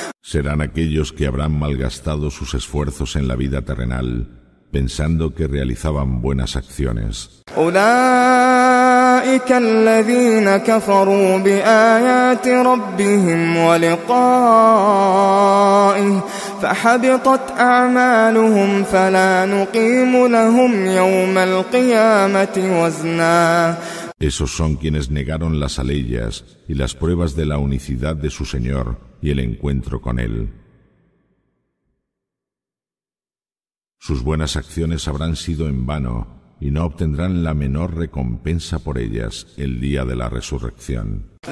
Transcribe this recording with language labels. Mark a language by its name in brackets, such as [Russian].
[Spanish] Serán aquellos que habrán malgastado sus esfuerzos en la vida terrenal, pensando que realizaban buenas acciones. [Arabic] أولئك الذين كفروا بآيات ربهم ولقائه فحبطت أعمالهم فلا نقيم لهم يوم القيامة وزنا. [Spanish] Esos son quienes negaron las aleyas y las pruebas de la unicidad de su Señor y el encuentro con Él. Sus buenas acciones habrán sido en vano y no obtendrán la menor recompensa por ellas el día de la resurrección.